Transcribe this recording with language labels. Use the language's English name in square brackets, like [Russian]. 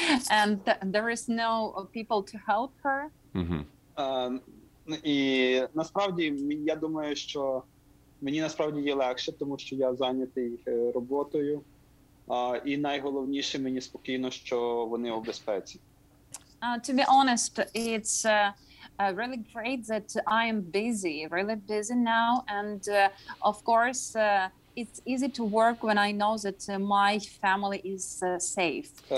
[English] And there is no people to help her. [Ukrainian] І насправді я думаю, що мені насправді є легше, тому що я зайнятий роботою. І найголовніше мені спокійно, що вони у безпеці. [English] To be honest, it's really great that I am busy, really busy now, and of course it's easy to work when I know that my family is safe.